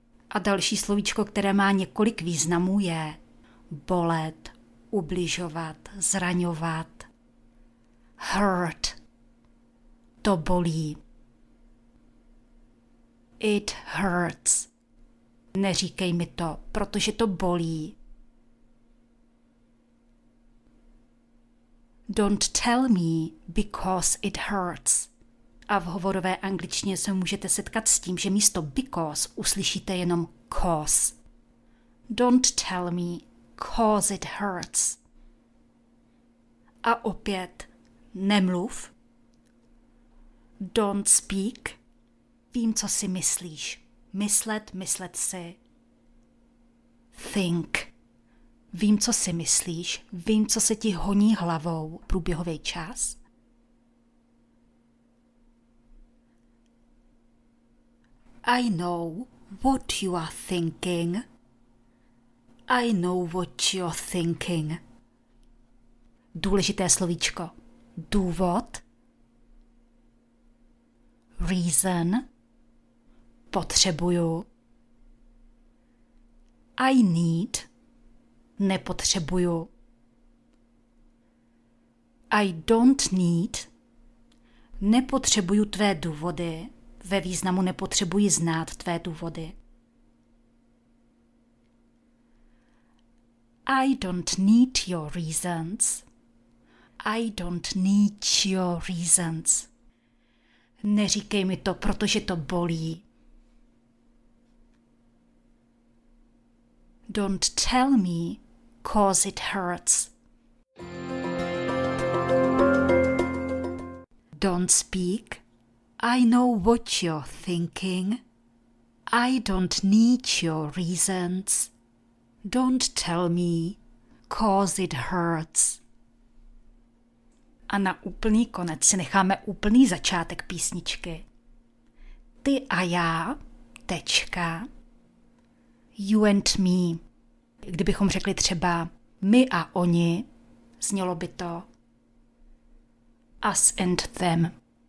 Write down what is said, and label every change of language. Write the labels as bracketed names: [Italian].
[Czech] A další slovíčko, které má několik významů, je bolet, ubližovat, zraňovat. Hurt. To bolí. [English] It hurts. [Czech] Neříkej mi to, protože to bolí. [English] Don't tell me because it hurts. [Czech] a v hovorové angličtině se můžete setkat s tím, že místo because uslyšíte jenom cause. [English] Don't tell me, cause it hurts. [Czech] A opět, nemluv. [English] Don't speak. [Czech] Vím, co si myslíš. Myslet si. Think. Vím, co si myslíš. Vím, co se ti honí hlavou. Průběhový čas. [English] I know what you are thinking. I know what you're thinking. [Czech] Důležité slovíčko. Důvod. Reason. Potřebuju. [English] I need. Nepotřebuju. I don't need. [Czech] Nepotřebuju tvé důvody. Ve významu nepotřebuji znát tvé důvody. [English] I don't need your reasons. I don't need your reasons. [Czech] Neříkej mi to, protože to bolí. [English] Don't tell me, cause it hurts. Don't speak. I know what you're thinking. I don't need your reasons. Don't tell me, cause it hurts. [Czech] A na úplný konec si necháme úplný začátek písničky. Ty a já, tečka. [English] You and me. [Czech] Kdybychom řekli třeba my a oni, znělo by to [English] us and them.